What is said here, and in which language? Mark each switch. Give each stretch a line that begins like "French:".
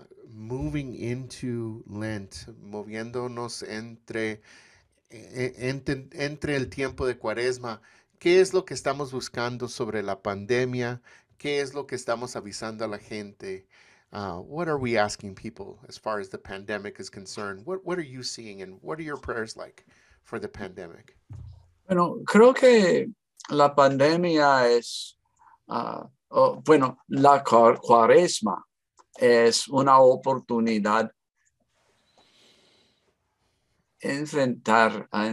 English: Moving into Lent,
Spanish: moviéndonos entre el tiempo de Cuaresma, ¿qué es lo que estamos buscando sobre la pandemia? ¿Qué es lo que estamos avisando a la gente?
English: What are we asking people as far as the pandemic is concerned? What are you seeing and what are your prayers like for the pandemic?
Spanish: Bueno, creo que la pandemia es, la Cuaresma es una oportunidad enfrentar